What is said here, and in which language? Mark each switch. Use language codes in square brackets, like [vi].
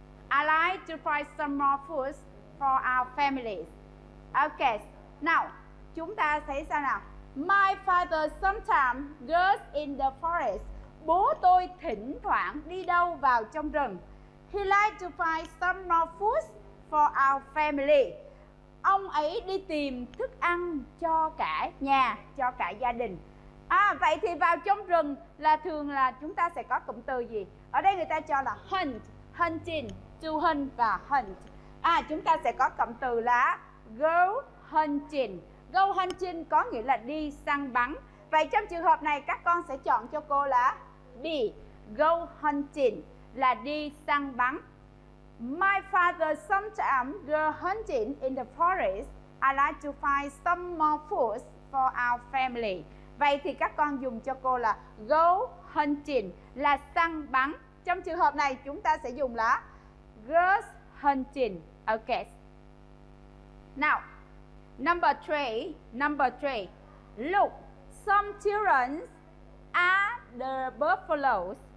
[en] I like to find some more food for our family. Okay. Now, [vi] chúng ta thấy sao nào? [en] My father sometimes goes in the forest. [vi] Bố tôi thỉnh thoảng đi đâu vào trong rừng. [en] He likes to find some more food for our family. [vi] Ông ấy đi tìm thức ăn cho cả nhà, cho cả gia đình. À, vậy thì vào trong rừng là thường là chúng ta sẽ có cụm từ gì? Ở đây người ta cho là hunt, hunting, to hunt và hunt. À, chúng ta sẽ có cụm từ là go hunting. Go hunting có nghĩa là đi săn bắn. Vậy trong trường hợp này các con sẽ chọn cho cô là B. Go hunting là đi săn bắn. [en] My father sometimes go hunting in the forest. I like to find some more food for our family. [vi] Vậy thì các con dùng cho cô là go hunting là săn bắn. Trong trường hợp này chúng ta sẽ dùng là goes hunting. [en] Okay. Now, number three. Look, some children are the buffaloes.